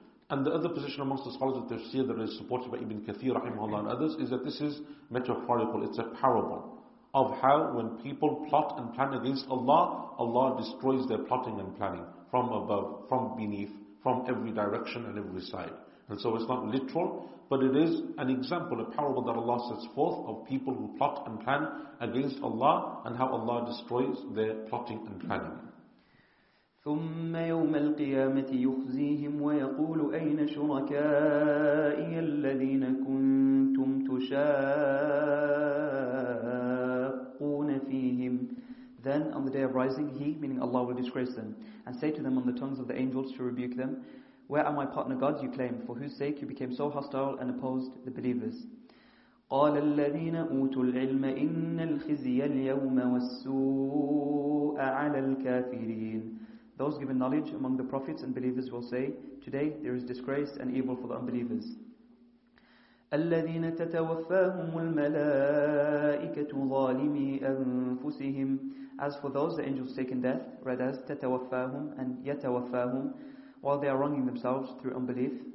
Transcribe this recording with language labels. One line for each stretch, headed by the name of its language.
English: And the other position amongst the scholars of Tafsir that is supported by Ibn Kathir rahimahullah and others is that this is metaphorical, it's a parable of how when people plot and plan against Allah, Allah destroys their plotting and planning from above, from beneath, from every direction and every side. And so it's not literal, but it is an example, a parable that Allah sets forth of people who plot and plan against Allah and how Allah destroys their plotting and planning.
Arabic: ثم يوم القيامة يخزيهم ويقول أين شركائي الذين كنتم تشاقون فيهم.
English: Then on the day of rising, he, meaning Allah, will disgrace them and say to them on the tongues of the angels to rebuke them, where are my partner gods you claim, for whose sake you became so hostile and opposed the believers?
Arabic: قال الذين أوتوا العلم إن الخزي اليوم والسوء على الكافرين.
English: Those given knowledge among the prophets and believers will say, today there is disgrace and evil for the unbelievers.
Arabic: الَّذِينَ تَتَوَفَّاهُمُ الْمَلَائِكَةُ ظَالِمِي أَنفُسِهِمْ.
English: As for those the angels take in death, read as تَتَوَفَّاهُمْ and يَتَوَفَّاهُمْ, while they are wronging themselves through unbelief.